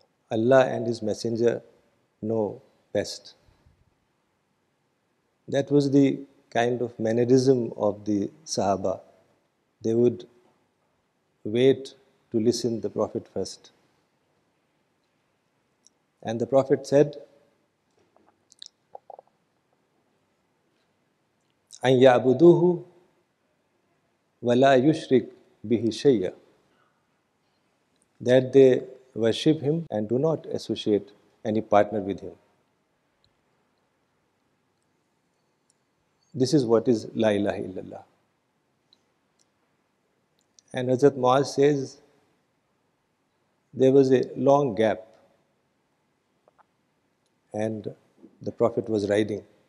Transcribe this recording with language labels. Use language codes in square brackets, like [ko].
[en] Allah and His Messenger know best. That was the kind of mannerism of the Sahaba. They would wait to listen to the Prophet first. And the Prophet said, [ar] أَنْ يَعْبُدُوهُ وَلَا يُشْرِكْ بِهِ شَيَّا. [en] That they worship Him and do not associate any partner with Him. This is what is La ilaha illallah. And Hazrat Muaz says, there was a long gap and the Prophet was riding.